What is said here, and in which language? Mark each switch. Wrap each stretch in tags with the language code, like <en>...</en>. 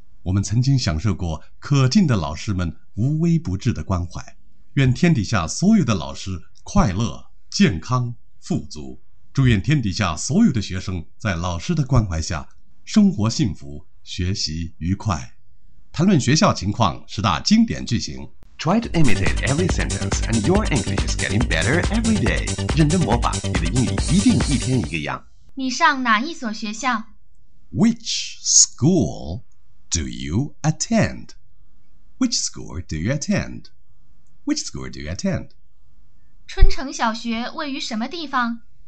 <zh>我们曾经享受过可敬的老师们无微不至的关怀。愿天底下所有的老师快乐、健康、富足。祝愿天底下所有的学生在老师的关怀下生活幸福、学习愉快。谈论学校情况，十大经典句型。</zh> <en>Try to imitate every sentence and your English is getting better every day.</en> <zh>认真模仿，你的英语一定一天一个样。你上哪一所学校？</zh> <en>Which school do you attend? Which school do you attend? Which school do you attend?</en> <zh>春城小学位于什么地方？</zh>